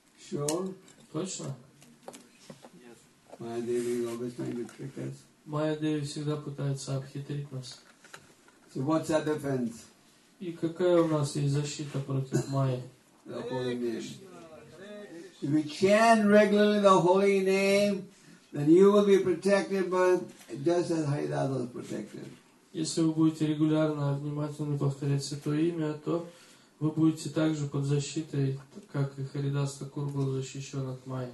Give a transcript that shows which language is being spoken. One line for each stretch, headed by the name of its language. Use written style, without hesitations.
English: Sure.
Russian: Точно?
English: Yes. Maya Devi is always trying to trick us.
Russian: Maya Devi всегда пытается обхитрить нас.
English: So what's our defense?
Russian: И какая у нас есть защита против Майи?
English: The holy name. If we chant regularly the holy name, then you will be protected, but just as Haridasa was protected.
Russian: Если вы будете регулярно внимательно повторять святое имя, то вы будете также под защитой, как и Харидас Такур был защищен от